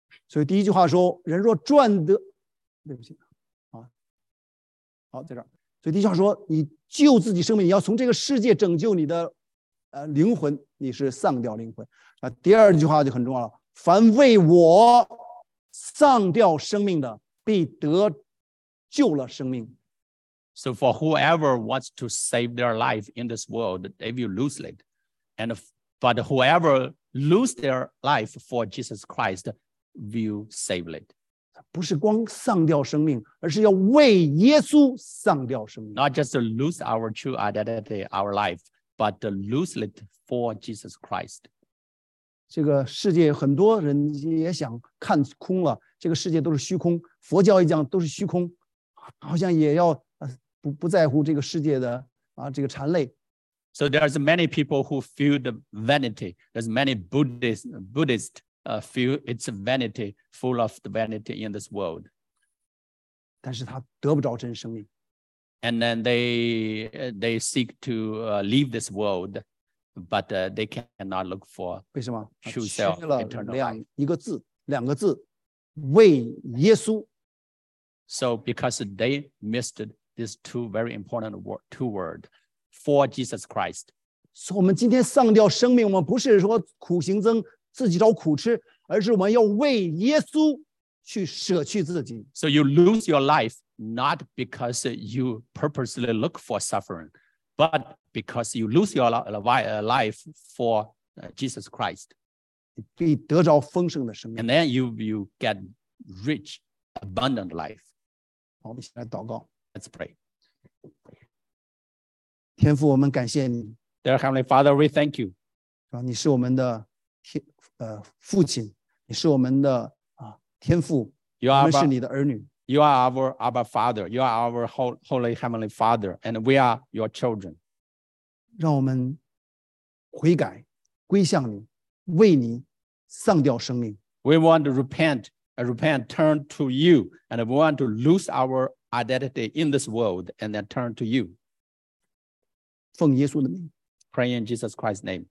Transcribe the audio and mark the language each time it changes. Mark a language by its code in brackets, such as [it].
[zh] 所以第一句话说, 人若赚得, 对不起, 好, 在这儿, 所以第一句话说, 你救自己生命, 你要从这个世界拯救你的, 灵魂, 你是丧掉灵魂, 第二句话就很重要了, 凡为我, 丧掉生命的, 必得救了生命。 [en] So for whoever wants to save their life in this world, they will lose it. And but whoever lose their life for Jesus Christ will save it. [zh] 不是光丧掉生命, 而是要为耶稣丧掉生命。 [en] Not just to lose our true identity, our life, but to lose it for Jesus Christ. [zh] 这个世界很多人也想看空了，这个世界都是虚空，佛教一讲都是虚空，好像也要不在乎这个世界的啊这个禅类。 [en] So there are many people who feel the vanity. There's many Buddhists feel it's vanity, full of the vanity in this world. [zh] 但是他得不着真生命。 [en] And then they seek to leave this world. But they cannot look for [zh] 为什么? [en] True self, eternal life. [zh] 一个字, 两个字, 为耶稣。 [en] So because they missed these two very important words, for Jesus Christ. So [zh] 我们今天丧掉生命, 我们不是说苦行僧, 自己找苦吃, 而是我们要为耶稣去舍去自己。 [en] So you lose your life, not because you purposely look for suffering, but because you lose your life for Jesus Christ. And then you get rich, abundant life. [zh] 好, 我们先来祷告。 [en] Let's pray. [zh] 天父, 我们感谢你。 [en] Dear Heavenly Father, we thank you. [zh] 啊, 你是我们的天, 父亲, 你是我们的, 啊, 天父, [en] you are [zh] 我们是你的儿女。 [en] You are our Abba Father. You are our Holy Heavenly Father. And we are your children. [zh] 让我们悔改, 归向你, 为你丧掉生命。 [en] We want to repent, turn to you. And we want to lose our identity in this world and then turn to you. [zh] 奉耶稣的名。 [en] Pray in Jesus Christ's name.